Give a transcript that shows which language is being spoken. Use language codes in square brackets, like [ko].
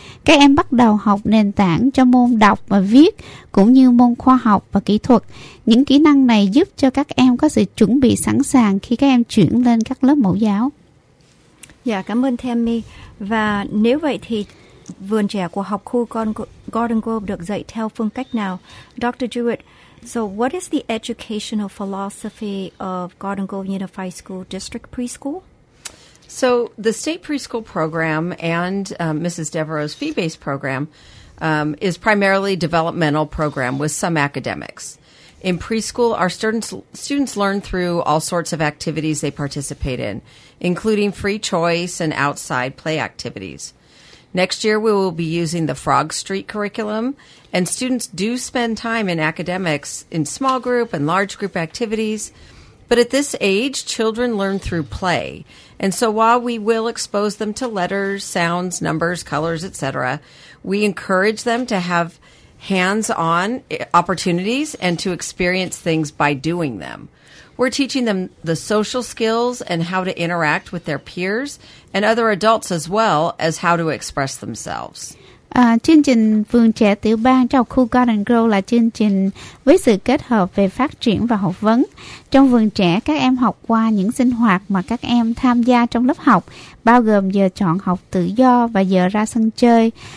[vi] Các em bắt đầu học nền tảng cho môn đọc và viết, cũng như môn khoa học và kỹ thuật. Những kỹ năng này giúp cho các em có sự chuẩn bị sẵn sàng khi các em chuyển lên các lớp mẫu giáo. Dạ, cảm ơn Tammy. Và nếu vậy thì vườn trẻ của học khu Garden Grove được dạy theo phương cách nào? [en] Dr. Jewett, so what is the educational philosophy of Garden Grove Unified School District Preschool? So the state preschool program and Mrs. Devereaux's fee-based program is primarily a developmental program with some academics. In preschool, our students learn through all sorts of activities they participate in, including free choice and outside play activities. Next year, we will be using the Frog Street curriculum, and students do spend time in academics in small group and large group activities. But at this age, children learn through play. And so while we will expose them to letters, sounds, numbers, colors, etc., we encourage them to have hands-on opportunities and to experience things by doing them. We're teaching them the social skills and how to interact with their peers and other adults, as well as how to express themselves. [vi] Chương trình Vườn Trẻ Tiểu Bang trong khu Garden Grove là chương trình với sự kết hợp về phát triển và học vấn. Trong vườn trẻ, các em học qua những sinh hoạt mà các em tham gia trong lớp học, bao gồm giờ chọn học tự do và giờ ra sân chơi.